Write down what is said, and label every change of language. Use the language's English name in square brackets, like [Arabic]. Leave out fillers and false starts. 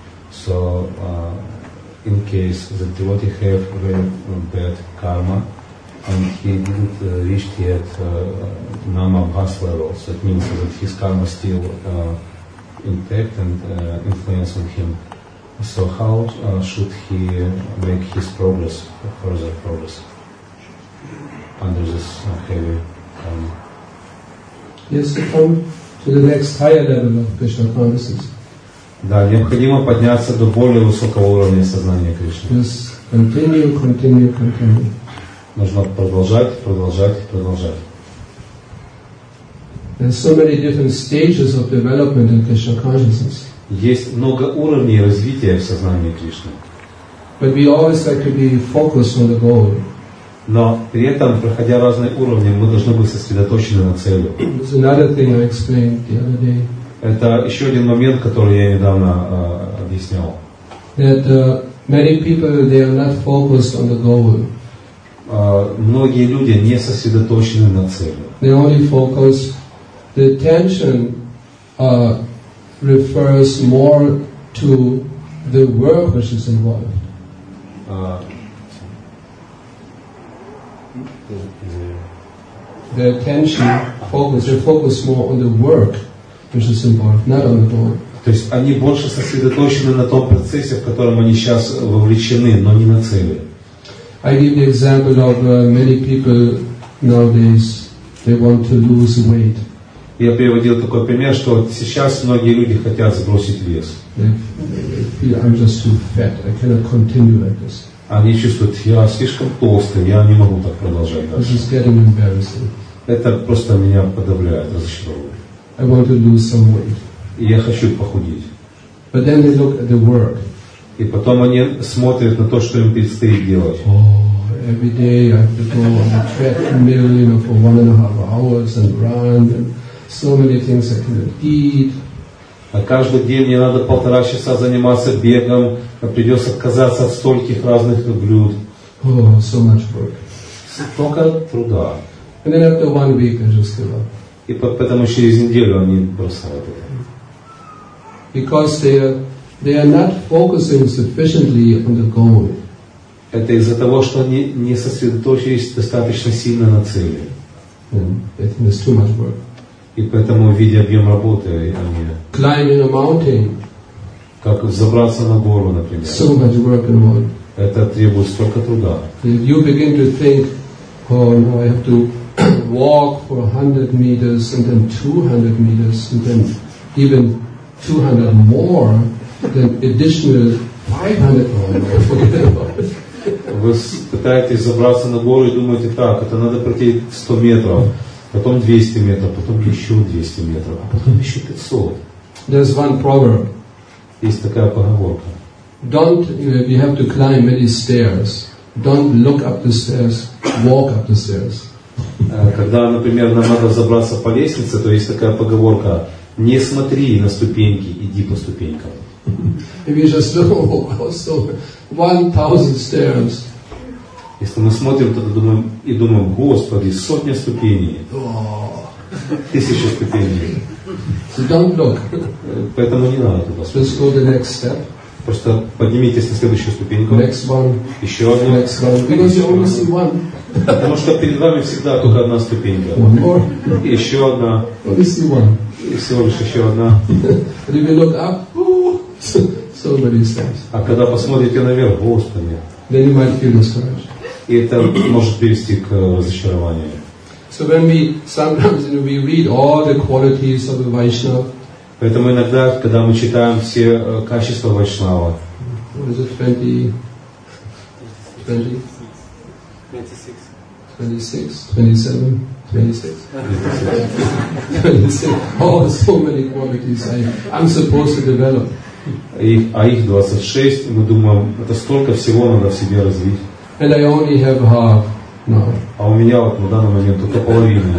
[English] So, in case the devotee have very bad karma, and he didn't reach yet namabhas level, so it means that his karma still impact and influence on him. So how should he make his progress, further progress, under this heavy karma? He has to come to the next higher level of Krishna consciousness. [Russian] Да, необходимо подняться до более высокого уровня сознания Кришны. [English] Just continue, continue, continue. [Russian] Нужно продолжать, продолжать, продолжать. [English] There's so many different stages of development in Krishna consciousness. [Russian] Есть много уровней развития в сознании Кришны. [English] But we always like to be focused on the goal. [Russian] Но при этом, проходя разные уровни, мы должны быть сосредоточены на цели. [English] There's another thing I explained the other day. [Russian] Это еще один момент, который я недавно объяснял. [English] That many people, they are not focused on the goal. [Russian] Многие люди не сосредоточены на цели. [English] They only focus. The attention refers more to the work which is involved. The attention focus, they focus more on the work which is involved, not on the goal. [Russian] То есть они больше сосредоточены на том процессе, в котором они сейчас вовлечены, но не на цели. [English] I give the example of many people nowadays, they want to lose weight. [Russian] Я приводил такой пример, что сейчас многие люди хотят сбросить вес. [English] I'm just too fat. I cannot continue like this. [Russian] Они чувствуют, я слишком толстый, я не могу так продолжать дальше. [English] This is getting embarrassing. [Russian] Это просто меня подавляет, разочаровывает. [English] I want to lose some weight. [Russian] И я хочу похудеть. [English] But then they look at the work. [Russian] И потом они смотрят на то, что им предстоит делать. [English] Oh, every day I have to go on the treadmill, you know, for 1.5 hours and run. So many things I cannot eat. [Russian] А каждый день мне надо 1.5 часа заниматься бегом, придется отказаться от стольких разных блюд. [English] Oh, so much work. [Russian] Столько труда. [English] And then after 1 week I just give up. [Russian] И поэтому через неделю они бросают это. [English] Because they are not focusing sufficiently on the goal. [Russian] Это из-за того, что они не сосредоточились достаточно сильно на цели. [English] And I think it's too much work. [Russian] И поэтому, видя объем работы, они... [English] Climbing a mountain. [Russian] Как забраться на гору, например. [English] So much work involved. [Russian] Это требует столько труда. [English] If you begin to think, oh, no, I have to walk for 100 meters, and then 200 meters, and then even 200 more, then additional 500 more, forget about it. [Russian] Вы пытаетесь забраться на гору и думаете, так, это надо пройти 100 метров. Потом 200 метров, потом еще 200 метров, а потом еще 500. [English] There's one proverb. [Russian] Есть такая поговорка. [English] Don't, you have to climb many stairs. Don't look up the stairs, walk up the stairs. [Russian] Когда, например, нам надо забраться по лестнице, то есть такая поговорка: не смотри на ступеньки, иди по ступенькам. [English] If you just look also 1,000 stairs. [Russian] Если мы смотрим, то думаем и думаем: Господи, сотня ступеней. Тысяча ступеней. [English] So don't look. [Russian] Поэтому не надо туда смотреть. [English] Just go the next step. [Russian] Просто поднимитесь на следующую ступеньку. [English] Next one. [Russian] Еще одну. [English] Next one. Because you only see one. [Russian] Потому что перед вами всегда только одна ступенька. [English] One more. [Russian] И еще одна. [English] Only see one. [Russian] И всего лишь еще одна. [English] And if you look up, oh, so many steps. [Russian] А когда посмотрите наверх, Господи. [English] Then you might feel discouraged. [Russian] И это может привести к разочарованию. [English] So when we sometimes, you know, we read all the qualities of the Vaishnava. [Russian] Поэтому иногда, когда мы читаем все качества вайшнава. [English] What is it, 26. Oh, so many qualities I'm supposed to develop. [Russian] А их 26, мы думаем, это столько всего надо в себе развить. [English] And I only have half now. [Russian] А у меня вот на данный момент только половина